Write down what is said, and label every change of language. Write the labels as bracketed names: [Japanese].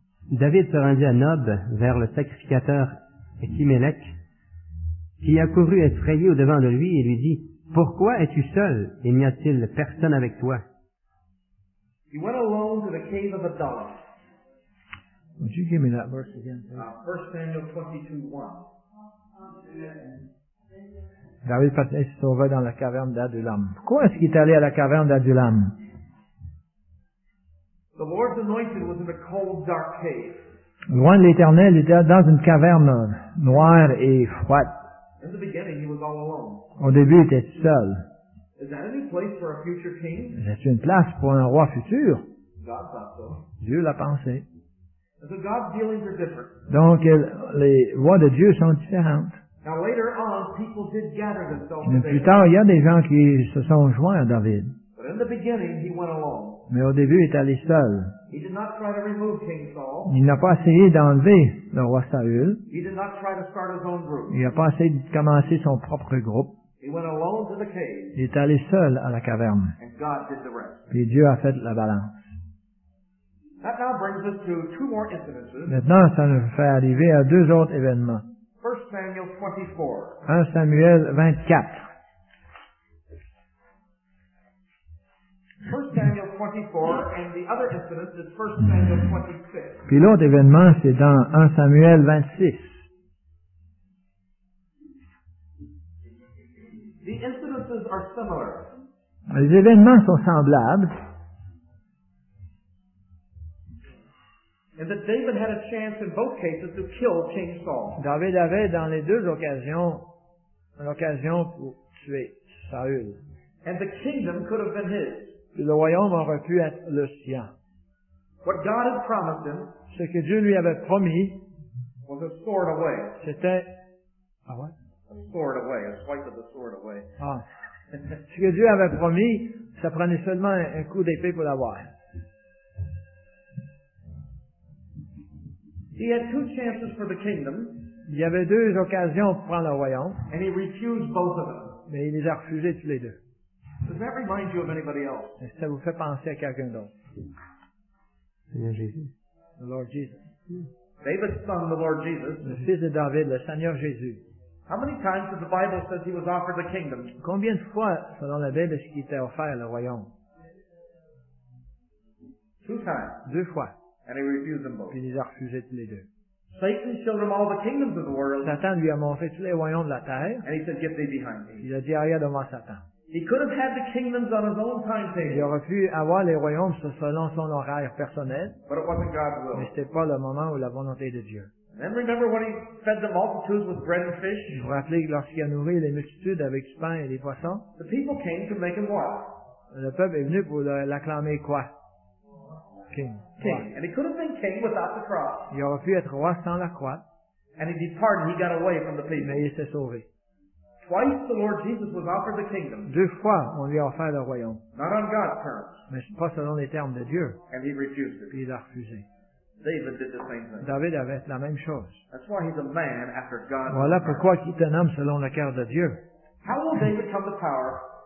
[French] David se rendit à Nob vers le sacrificateur Ahimélec, qui accourut effrayé au devant de lui et lui dit: pourquoi es-tu seul et n'y a-t-il personne avec toi? [English] He went alone to the cave of Adullam. Would you give me that verse again? 1 Samuel 22:1. [French] David partait se sauver dans la caverne d'Adullam. Pourquoi est-ce qu'il est allé à la caverne d'Adullam? [English] The Lord's anointed was in a cold, dark cave. [French] Loin de l'Éternel, il était dans une caverne noire et froide. [English] In the beginning, he was all alone. [French] Au début, il était tout seul. [English] Is that a new place for a future king? [French] C'est une place pour un roi futur. [English] God thought so. [French] Dieu l'a pensé. [English] And so God's dealings are different. [French] Donc, les voies de Dieu sont différentes. [English] Now, later on, people did gather themselves. [French] Mais plus tard, il y a des gens qui se sont joints à David. [English] But in the beginning, he went alone. [French] Mais au début, il est allé seul. [English] He did not try to remove King Saul. [French] Il n'a pas essayé d'enlever le roi Saül. [English] He did not try to start his own group. [French] Il n'a pas essayé de commencer son propre groupe. [English] He went alone to the cave. [French] Il est allé seul à la caverne. [English] And God did the rest. [French] Puis Dieu a fait la balance. [English] That now brings us to two more incidences. [French] Maintenant, ça nous fait arriver à deux autres événements. [English] 1 Samuel 24. [French] 1 Samuel 24. [English] 1 Samuel 24, and the other incident is 1 Samuel 26. [French] Puis l'autre événement, c'est dans 1 Samuel 26. [English] The incidences are similar. [French] Les événements sont semblables. [English] And that David had a chance in both cases to kill King Saul. [French] David avait dans les deux occasions une occasion pour tuer Saül. [English] And the kingdom could have been his. [French] Le royaume aurait pu être le sien. [English] What God had promised him, [French] ce que Dieu lui avait promis, [English] was a sword away. [French] C'était, ah ouais? [English] A sword away, a swipe of the sword away. Ah. [French] Ce que Dieu avait promis, ça prenait seulement un coup d'épée pour l'avoir. [English] He had two chances for the kingdom. [French] Il y avait deux occasions pour prendre le royaume. [English] And he refused both of them. [French] Mais il les a refusés tous les deux. [English] Does that remind you of anybody else? [French] Est-ce que ça vous fait penser à quelqu'un d'autre? Seigneur Jésus. [English] The Lord Jesus. David's son, the Lord Jesus. [French] Le fils de David, le Seigneur Jésus. [English] How many times did the Bible says he was offered the kingdom? [French] Combien de fois, selon la Bible, est-ce qu'il était offert le royaume? [English] Two times. [French] Deux fois. [English] And he refused them both. [French] Puis il les a refusés tous les deux. [English] Satan showed him all the kingdoms of the world. [French] Satan lui a montré tous les royaumes de la terre. [English] And he said, "Get thee behind me." [French] Il a dit, arrière de moi, Satan. [English] He could have had the kingdoms on his own timetable. [French] Il aurait pu avoir les royaumes selon son horaire personnel. [English] But it wasn't God's will. [French] Mais c'était pas le moment ou la volonté de Dieu. [English] And then remember when he fed the multitudes with bread and fish? [French] Vous vous rappelez lorsqu'il a nourri les multitudes avec du pain et des poissons? [English] The people came to make him what? [French] Le peuple est venu pour l'acclamer quoi? King. [English] King. And he could have been king without the cross. [French] Il aurait pu être roi sans la croix. [English] And he departed, he got away from the people. [French] Mais il s'est sauvé. [English] Twice the Lord Jesus was offered the kingdom. [French] Deux fois, on lui a offert le royaume. [English] Not on God's terms. [French] Mais pas selon les termes de Dieu. [English] And he refused it. [French] Puis il a refusé. [English] David did the same thing. [French] David avait la même chose. [English] That's why he's a man after God's. [French] Voilà pourquoi il est un homme selon le cœur de Dieu. [English] How will David come to power?